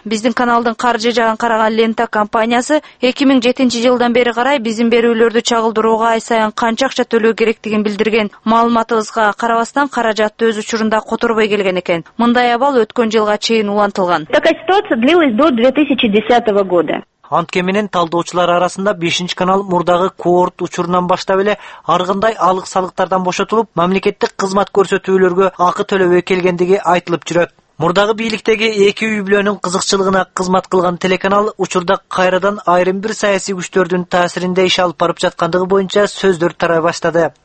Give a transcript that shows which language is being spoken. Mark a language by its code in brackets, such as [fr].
[ky] Биздин каналдын каржы жагын караган лента компаниясы 2007 жылдан бери карай биздин берүүлөрдү чагылдырууга ай сайын канча акча төлөө керектигин билдирген. Маалыматыбызга карабастан каражатты өз учурунда которбой келген экен. Мындай абал өткөн жылга чейин улантылган. [ru] Такая ситуация длилась до 2010 года. [ky] Анткеминин талдоочулар арасында 5-чи канал мурдагы коорт учурунан баштап эле ар кандай алык салыктардан бошотулуп, мамлекеттик кызмат көрсөтүүлөргө акы төлөбөй келгендиги айтылып жүрөт. Мурдагы бийликтеги эки үй бүлөнүн кызыкчылыгына кызмат кылган телеканал учурда кайрадан айрым бир саясий күчтөрдүн таасиринде иш алып барып жаткандыгы боюнча сөздөр тарай баштады.